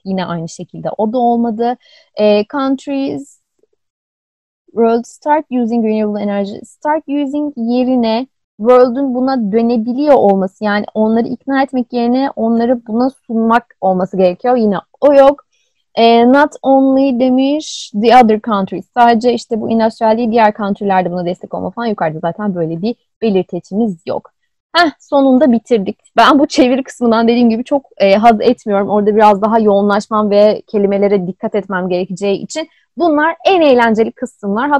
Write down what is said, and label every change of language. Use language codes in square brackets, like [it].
[tr] Yine aynı şekilde o da olmadı. [en] Countries world start using renewable energy. Start using [tr] yerine world'un buna dönebiliyor olması, yani onları ikna etmek yerine onları buna sunmak olması gerekiyor. Yine o yok. [en] Not only [tr] demiş [en] the other countries. [tr] Sadece işte bu industrial değil, diğer country'lerde buna destek olma falan, yukarıda zaten böyle bir belirtecimiz yok. Heh, sonunda bitirdik. Ben bu çeviri kısmından dediğim gibi çok haz etmiyorum. Orada biraz daha yoğunlaşmam ve kelimelere dikkat etmem gerekeceği için bunlar en eğlenceli kısımlar.